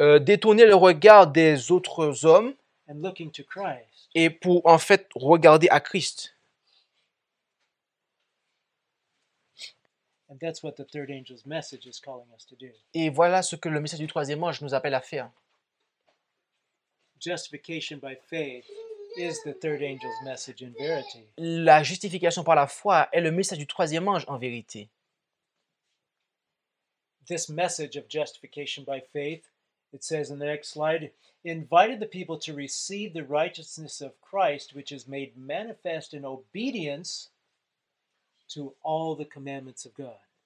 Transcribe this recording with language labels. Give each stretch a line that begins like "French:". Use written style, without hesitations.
French: détourner le regard des autres hommes,
English: and looking to Christ,
French: et pour en fait regarder à Christ.
English: And that's what the third angel's message is calling us to do.
French: Et voilà ce que le message du troisième ange nous appelle à faire.
English: Justification by faith is the third angel's message in verity.
French: La justification par la foi est le message du troisième ange en vérité.
English: This message of justification by faith, it says in the next slide, invited the people to receive the righteousness of Christ, which is made manifest in obedience to all the commandments of God.